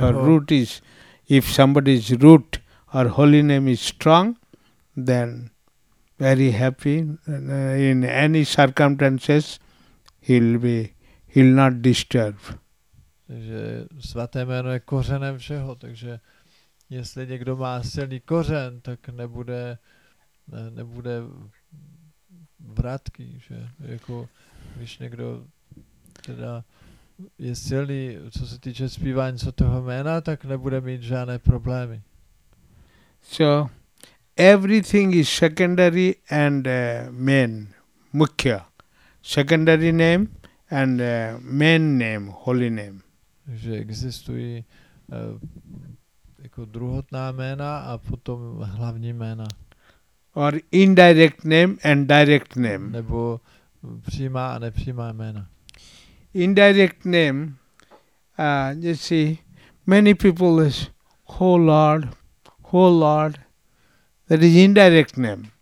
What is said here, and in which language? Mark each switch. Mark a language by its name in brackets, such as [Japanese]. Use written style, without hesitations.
[English] Therefore, root is, if somebody's root or holy name is strong, then very happy, in any circumstances, he'll not disturb. [Czech] Takže svaté jméno je kořenem všeho, takže jestli někdo má silný kořen, tak nebude... nebude vratký, že? Jako, když někdo teda je silný, co se týče zpívání co toho jména, tak nebude mít žádné problémy. [English] So, everything is secondary and main. mukhya, secondary name and main name, holy name. [Czech] Že existují jako druhotná jména a potom hlavní jména. [English] Or indirect name and direct name. [Czech] Nebo přímá a nepřímá jména. [English] Indirect name, you see, many people is, oh Lord, that is indirect name.